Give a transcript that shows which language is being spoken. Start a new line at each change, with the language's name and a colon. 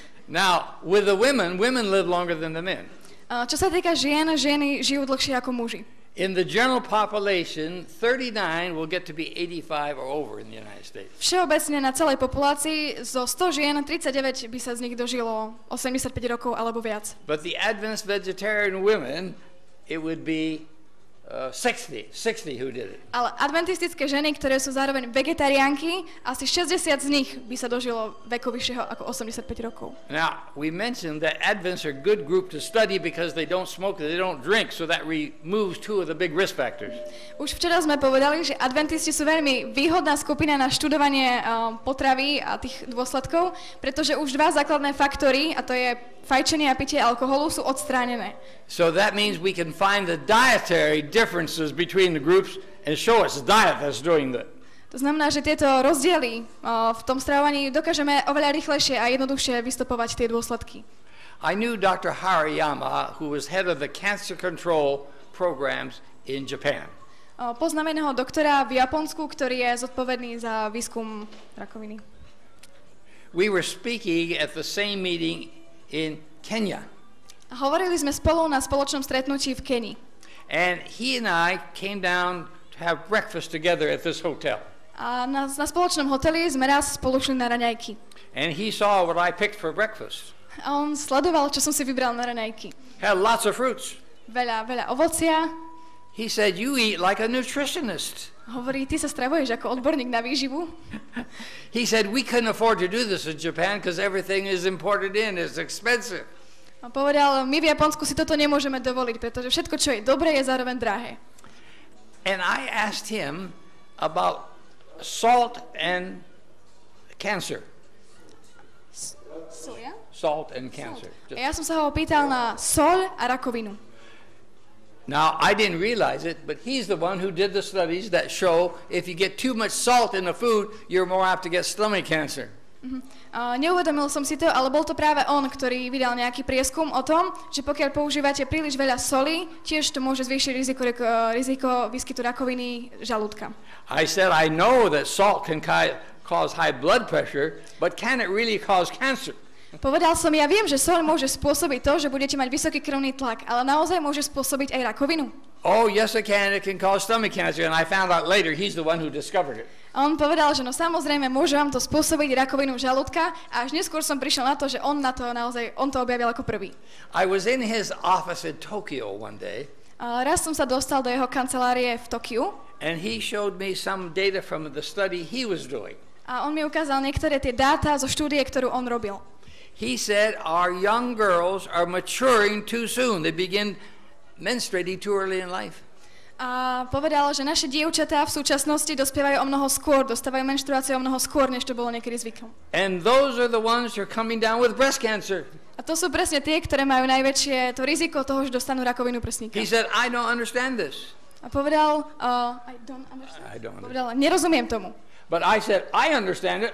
English: Now, with the women, women live longer than the men.
Slovak: Čo sa týka žien, ženy žijú dlhšie ako muži.
English: In the general population, 39 will get to be 85 or over in the United States.
Slovak: Všeobecne na celej populácii zo 100 žien 39 by sa z nich dožilo 85 rokov alebo viac.
English: But the Adventist vegetarian women, it would be 60 who did it.
Slovak: Ale adventistické ženy, ktoré sú zároveň vegetariánky, asi 60 z nich by sa dožilo veku vyššieho ako 85 rokov.
English: Now, we mentioned that Adventists are a good group to study because they don't smoke, they don't drink, so that removes two of the big risk factors.
Slovak: Už včera sme povedali, že adventisti sú veľmi výhodná skupina na študovanie potravy a tých dôsledkov, pretože už dva základné faktory, a to je fajčenie a pitie alkoholu, sú odstránené.
English: So that means we can find the dietary differences between the groups and show us the diet that's doing that.
Slovak: To znamená, že tieto rozdiely v tom stravovaní dokážeme oveľa rýchlejšie a jednoduchšie vystupovať tie dôsledky.
English: I knew Dr. Hariyama, who was head of the cancer control programs in Japan.
Slovak: Poznám jedného doktora v Japonsku, ktorý je zodpovedný za výskum rakoviny.
English: We were speaking at the same meeting in Kenya.
Slovak: Hovorili sme spolu na spoločnom stretnutí v Kenii.
English: And he and I came down to have breakfast together at this hotel.
Slovak: A na spoločnom hoteli sme raz spolu šli na raňajky.
English: And he saw what I picked for breakfast.
Slovak: A on sledoval, čo som si vybral na raňajky.
English: Had lots of fruits.
Slovak: Veľa, veľa ovocia.
English: He said, "You eat like a nutritionist."
Slovak: Hovorí, ty sa stravuješ ako odborník na výživu.
English: He said, "We couldn't afford to do this in Japan because everything is imported in, it's expensive."
Slovak: A povedal, my v Japonsku si toto nemôžeme dovoliť, pretože všetko, čo je dobré, je zároveň drahé.
English: And I asked him about salt and cancer. Salt and cancer.
Slovak: A ja som sa ho opýtal na soľ a rakovinu.
English: Now, I didn't realize it, but he's the one who did the studies that show if you get too much salt in the food, you're more apt to get stomach cancer.
Slovak: Neuvedomil som si to, ale bol to práve on, ktorý vydal nejaký prieskum o tom, že pokiaľ používate príliš veľa soli, tiež to môže zvýšiť riziko výskytu rakoviny žalúdka.
English: I said, I know that salt can cause high blood pressure, but can it really cause cancer?
Slovak: Povedal som, ja viem, že soľ môže spôsobiť to, že budete mať vysoký krvný tlak, ale naozaj môže spôsobiť aj rakovinu.
English: Oh, yes, it can. It can cause stomach cancer, and I found out later he's the one who discovered it.
Slovak: A on povedal, že no samozrejme, môže vám to spôsobiť rakovinu žalúdka, a až neskôr som prišiel na to, že on na to naozaj, on to objavil ako prvý.
English: I was in his office in Tokyo one day.
Slovak: Raz som sa dostal do jeho kancelárie v Tokiu.
English: And he showed me some data from the study he was doing.
Slovak: A on mi ukázal niektoré tie dáta zo štúdie, ktorú on robil.
English: He said, our young girls are maturing too soon. They begin menstruating too early in life.
Slovak: A povedal, že naše dievčatá v súčasnosti dospievajú o mnoho skôr, dostávajú menštruáciu o mnoho skôr, než to bolo niekedy zvykom.
English: And those are the ones who are coming down with breast cancer.
Slovak: A to sú presne tie, ktoré majú najväčšie to riziko toho, že dostanú rakovinu prsníka.
English: He said, I don't understand this.
Slovak: A povedal,
English: I don't understand.
Slovak: Povedal, nerozumiem tomu.
English: But I said, I understand it.